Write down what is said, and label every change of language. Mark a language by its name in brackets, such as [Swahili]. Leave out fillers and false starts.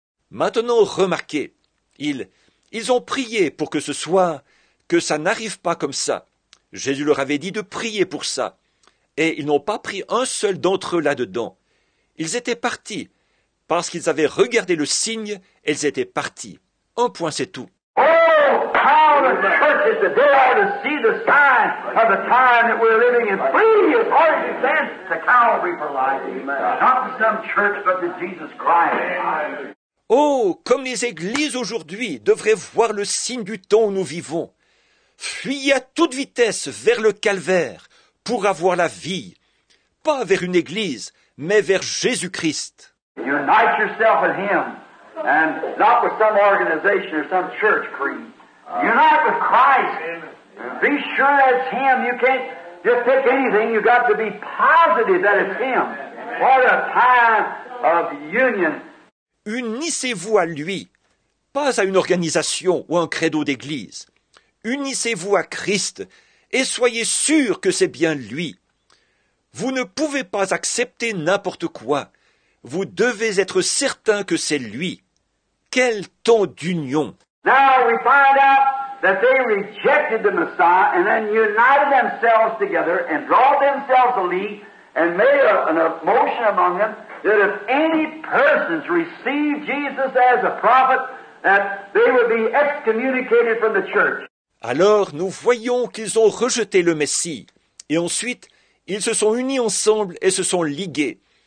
[French] Maintenant, remarquez, ils ont prié pour que ce soit, que ça n'arrive pas comme ça. Jésus leur avait dit de prier pour ça. Et ils n'ont pas pris un seul d'entre eux là-dedans. Ils étaient partis, parce qu'ils avaient regardé le signe, ils étaient partis. Un point, c'est tout. [English] Oh, how the church is today to see the sign of the time that we're living in. Free of all the sense to Calvary for life. Not some church, but to Jesus Christ. [French] Oh, comme les églises aujourd'hui devraient voir le signe du temps où nous vivons. Fuyez à toute vitesse vers le calvaire. Pour avoir la vie, pas vers une église, mais vers Jésus-Christ. [English] Unite yourself with Him, and not with some organization or some church creed. Unite with Christ. Be sure that's Him. You can't just pick anything. You got to be positive that it's Him. What a time of union. [French] Unissez-vous à Lui, pas à une organisation ou un credo d'église. Unissez-vous à Christ. Et soyez sûr que c'est bien lui. Vous ne pouvez pas accepter n'importe quoi. Vous devez être certain que c'est lui. Quel temps d'union! [English] Now we find out that they rejected the Messiah and then united themselves together and draw themselves a league and made a motion among them that if any persons receive Jesus as a prophet, that they would be excommunicated from the church. [French] Alors, nous voyons qu'ils ont rejeté le Messie. Et ensuite, ils se sont unis ensemble et se sont ligués.